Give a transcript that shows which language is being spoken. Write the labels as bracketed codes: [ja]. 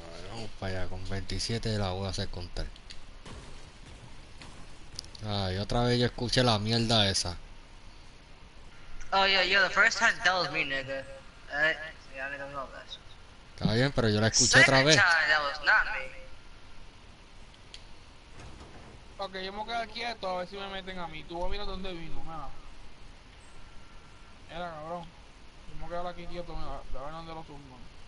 [es] Vamos para allá, con 27 la voy a hacer contar. Ay, otra vez yo escuché la mierda esa. [en] Oh, yeah, yo, the first time that was me, nigga. Yeah, I don't know that. [es] Está bien, pero yo la escuché otra vez. [en] Second time, that was not me. [es] Ok, yo me voy a quedar quieto a ver si me meten a mí. Tú vas a mirar dónde vino, mira. Mira, cabrón. Yo me voy a quedar aquí quieto, mira. A ver dónde lo tumban.